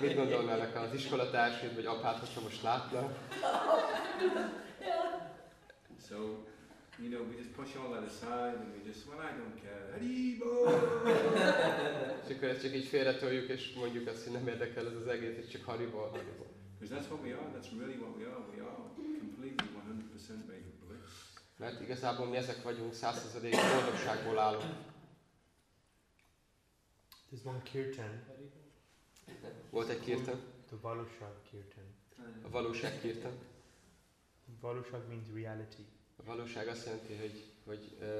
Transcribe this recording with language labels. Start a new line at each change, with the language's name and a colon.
Hungarian: Mit gondolnának az iskolatársaid, vagy apád, hogyha most látna?
English: So, we just push all that aside and we just, well, I don't care.
Sanskrit: Haribol!
Hungarian: És akkor ezt csak így félretoljuk, és mondjuk azt, hogy nem érdekel ez az egész, és csak haribol, haribol.
English: Because that's what we are, that's really what we are completely 100% made of bliss.
Hungarian: Mert igazából mi ezek vagyunk, 100% boldogságból állunk.
English: There's one kirtan.
Hungarian: Volt egy kirtan?
English: The valóság kirtan.
Hungarian: A valóság kirtan.
English: Valóság means reality.
Hungarian: A valóság azt jelenti, hogy